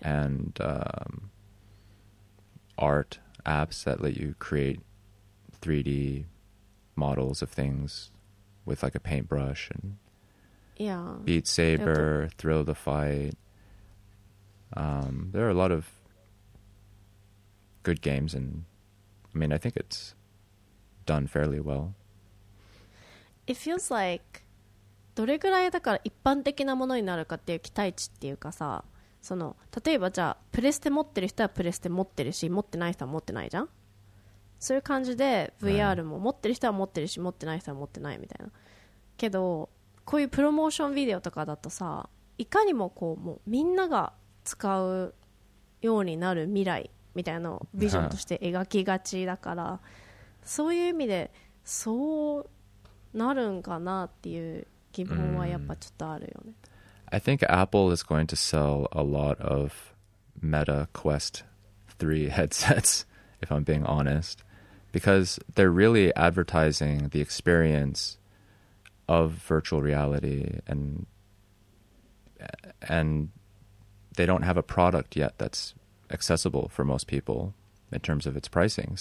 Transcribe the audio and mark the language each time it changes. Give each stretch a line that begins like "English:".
English: And art apps that let you create 3D models of things with like a paintbrush and... Yeah. Beat Saber, okay. Thrill the Fight. There are a lot of good games, and I mean, I think it's done fairly well. It feels like,
Japanese: どれぐらいだから一般的なものになるかっていう期待値っていうかさ、その例えばじゃあプレステ持ってる人はプレステ持ってるし、持ってない人は持ってないじゃん。そういう感じで VR も持ってる人は持ってるし、持ってない人は持ってないみたいな。けど。こういうプロモーションビデオとかだとさいかにもこうもうみんなが使うようになる未来みたいなのをビジョンとして描きがちだからそういう意味でそうなるんかなっていう疑問はやっぱちょっとあるよね、mm.
English: I think Apple is going to sell a lot of Meta Quest 3 headsets if I'm being honest because they're really advertising the experienceof virtual reality and they don't have a product yet that's accessible for most people in terms of its pricing.